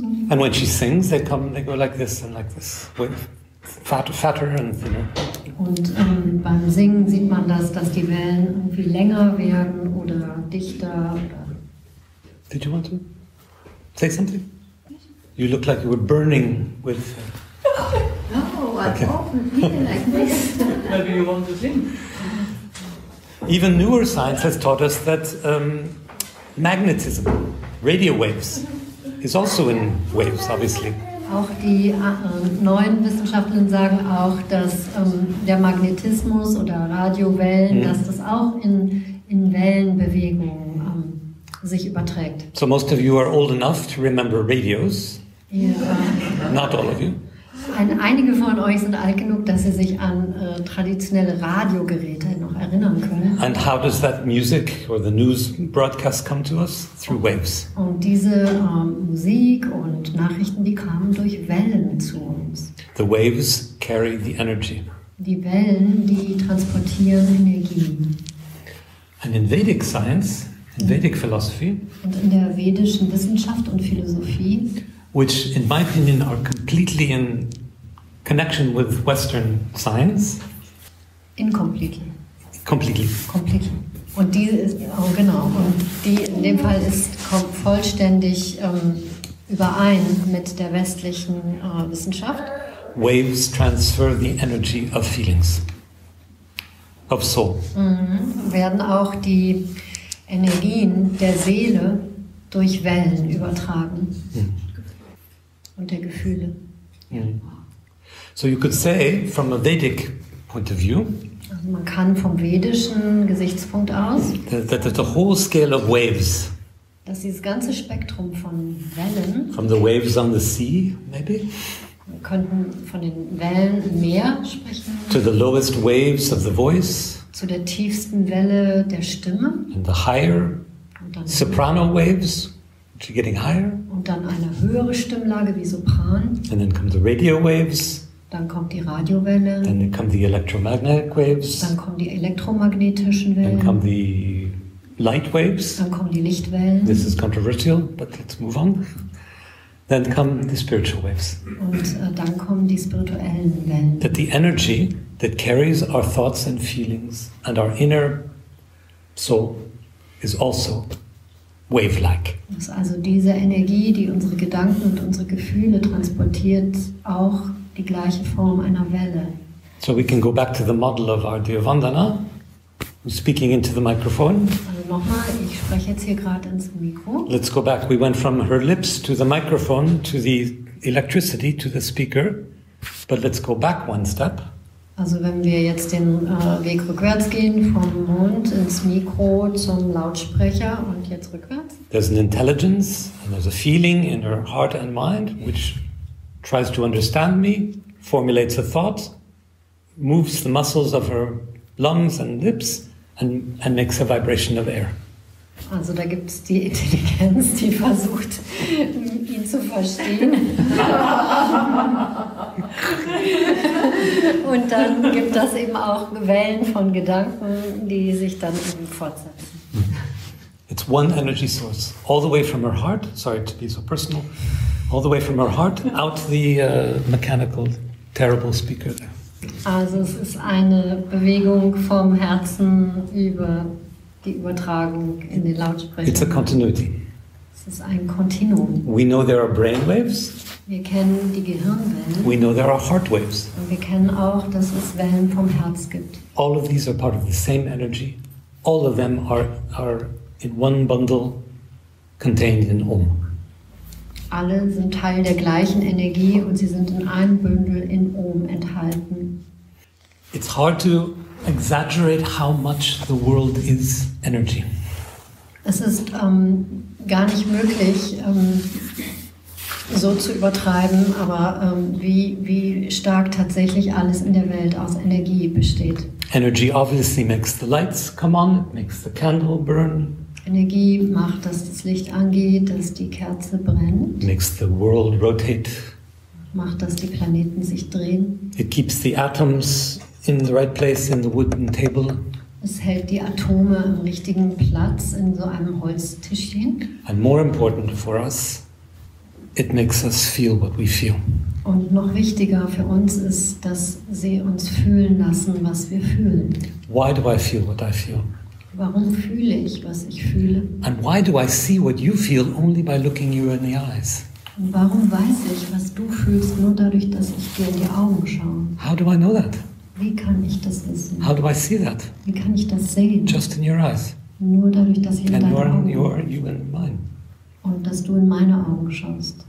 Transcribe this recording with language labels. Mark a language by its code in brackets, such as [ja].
[en] And when she sings, they go like this and like this, with fatter and thinner. [de] Und beim Singen sieht man das, dass die Wellen irgendwie länger werden oder dichter. [en] Did you want to say something? You look like you were burning with. No, I often feel like this. Maybe you want to sing. Even newer science has taught us that magnetism. Radio waves is also in waves, obviously. [de] Auch die neuen Wissenschaftler sagen auch, dass der Magnetismus oder Radiowellen, dass das auch in Wellenbewegungen sich überträgt. [en] So most of you are old enough to remember radios. Yeah. Not all of you. [de] Einige von euch sind alt genug, dass sie sich an traditionelle Radiogeräte noch erinnern können. [en] And how does that music or the news broadcast come to us? Through waves. [de] Und diese Musik und Nachrichten, die kamen durch Wellen zu uns. [en] The waves carry the energy. [de] Die Wellen, die transportieren Energie. [en] And in Vedic science, in Vedic philosophy. [de] Und in der vedischen Wissenschaft und Philosophie. [en] Which, in my opinion, are completely in connection with Western science. Incompletely. Completely. Completely. [de] Und die ist, oh genau, und die in dem Fall ist vollständig überein mit der westlichen Wissenschaft. [en] Waves transfer the energy of feelings, of soul. [de] Werden auch die Energien der Seele durch Wellen übertragen. Und der Gefühle. [en] So you could say, from a Vedic point of view, [de] Also man kann vom vedischen Gesichtspunkt aus [en] the whole scale of waves. [de] Dass dieses ganze Spektrum von Wellen. [en] From the waves on the sea, maybe. [de] Wir könnten von den Wellen im Meer sprechen. [en] To the lowest waves of the voice. [de] Zu der tiefsten Welle der Stimme. [en] And the higher. Soprano waves, which are getting higher. [de] Und dann eine höhere Stimmlage wie Sopran. [en] And then come the radio waves. [de] Dann kommt die Radiowelle. [en] Then come the electromagnetic waves. [de] Dann kommen die elektromagnetischen Wellen. [en] Then come the light waves. [de] Dann kommen die Lichtwellen. [en] This is controversial, but let's move on. Then come the spiritual waves. [de] Und dann kommen die spirituellen Wellen. [en] That the energy that carries our thoughts and feelings and our inner soul is also wave-like. [de] Dass also diese Energie, die unsere Gedanken und unsere Gefühle transportiert, auch die gleiche Form einer Welle. [en] So we can go back to the model of our dear Vandana, who's speaking into the microphone. [de] Also nochmal, ich spreche jetzt hier gerade ins Mikro. [en] Let's go back. We went from her lips to the microphone, to the electricity, to the speaker. But let's go back one step. [de] Also wenn wir jetzt den Weg rückwärts gehen, vom Mund ins Mikro zum Lautsprecher und jetzt rückwärts. [en] There's an intelligence and there's a feeling in her heart and mind, which tries to understand me, formulates a thought, moves the muscles of her lungs and lips, and makes a vibration of air. [de] Also da gibt's die Intelligenz, die versucht, ihn zu verstehen. Und dann gibt das eben auch Wellen von Gedanken, die sich dann eben fortsetzen. [en] It's one energy source, all the way from her heart, sorry to be so personal, all the way from her heart, out the mechanical, terrible speaker there. [de] Also es ist eine Bewegung vom Herzen über die Übertragung in den Lautsprecher. [en] It's a continuity. [de] Es ist ein Kontinuum. [en] We know there are brain waves. [de] Wir kennen die Gehirnwellen. [en] We know there are heart waves. [de] Und wir kennen auch, dass es Wellen vom Herz gibt. [en] All of these are part of the same energy. All of them are in one bundle contained in Om. [de] Alle sind Teil der gleichen Energie und sie sind in einem Bündel in Om enthalten. [en] It's hard to exaggerate how much the world is energy. [de] Es ist gar nicht möglich, so zu übertreiben, aber wie stark tatsächlich alles in der Welt aus Energie besteht. [en] Energy obviously makes the lights come on, it makes the candle burn. [de] Energie macht, dass das Licht angeht, dass die Kerze brennt. [en] Makes the world rotate. [de] Macht, dass die Planeten sich drehen. [en] It keeps the atoms in the right place in the wooden table. [de] Es hält die Atome im richtigen Platz in so einem Holztischchen. [en] And more important for us, it makes us feel what we feel. [de] Und noch wichtiger für uns ist, dass sie uns fühlen lassen, was wir fühlen. [en] Why do I feel what I feel? [de] Warum fühle ich, was ich fühle? [en] And why do I see what you feel only by looking you in the eyes? [de] Und warum weiß ich, was du fühlst, nur dadurch, dass ich dir in die Augen schaue? [en] How do I know that? [de] Wie kann ich das wissen? [en] How do I see that? [de] Wie kann ich das sehen? [en] Just in your eyes. [de] Nur dadurch, dass ich in deine Augen. [en] And you in mine. [de] Und dass du in meine Augen schaust.